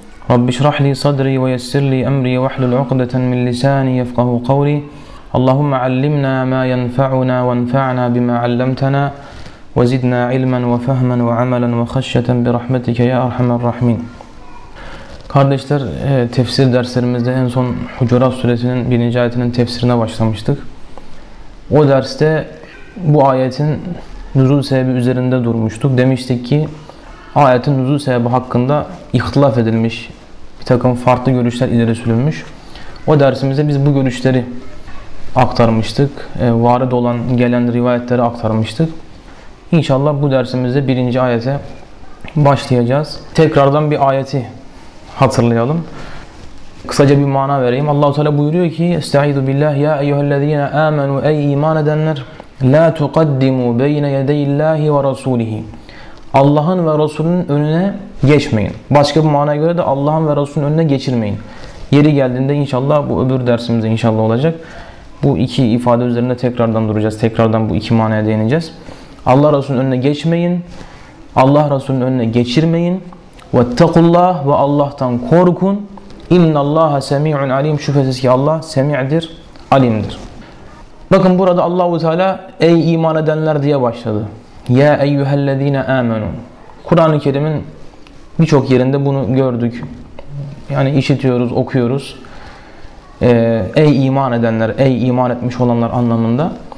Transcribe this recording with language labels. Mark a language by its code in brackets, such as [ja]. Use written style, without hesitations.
[ar] رب اشرح لي صدري ويسر لي أمري واحلل عقدة من لساني يفقه قولي. اللهم علمنا ما ينفعنا وانفعنا بما علمتنا وزدنا علما وفهما وعملا وخشية برحمتك يا أرحم الراحمين. [tr] Kardeşler, tefsir derslerimizde en son Hucurat suresinin 1. ayetinin tefsirine başlamıştık. O derste bu ayetin nüzul sebebi üzerinde durmuştuk. Demiştik ki ayetin nüzul sebebi hakkında ihtilaf edilmiş, bir takım farklı görüşler ileri sürülmüş. O dersimizde biz bu görüşleri aktarmıştık. Varid olan gelen rivayetleri aktarmıştık. İnşallah bu dersimizde 1. ayete başlayacağız. Tekrardan bir ayeti hatırlayalım. Kısaca bir mana vereyim. Allah-u Teala buyuruyor ki: "Estaizu billah ya eyyuhellezine amenu, ey iman edenler, la tuqaddimu beyne yedeyillahi ve rasulihi." Allah'ın ve Resul'ün önüne geçmeyin. Başka bir manaya göre de Allah'ın ve Resul'ün önüne geçirmeyin. Yeri geldiğinde inşallah bu öbür dersimizde inşallah olacak. Bu iki ifade üzerinde tekrardan duracağız. Tekrardan bu iki manaya değineceğiz. Allah Resul'ün önüne geçmeyin. Allah Resul'ün önüne geçirmeyin. [ar] وَاتَّقُوا اللّٰهِ وَاللّٰهْتَنْ korkun. اِنَّ اللّٰهَ سَمِيعٌ عَلِيمٌ. [tr] Şüphesiz ki Allah semi'dir, alimdir. Bakın burada Allah-u Teala "ey iman edenler" diye başladı. [ar] يَا اَيُّهَا الَّذ۪ينَ آمَنُوا. [tr] Kur'an-ı Kerim'in birçok yerinde bunu gördük. Yani işitiyoruz, okuyoruz. Ey iman edenler, ey iman etmiş olanlar anlamında.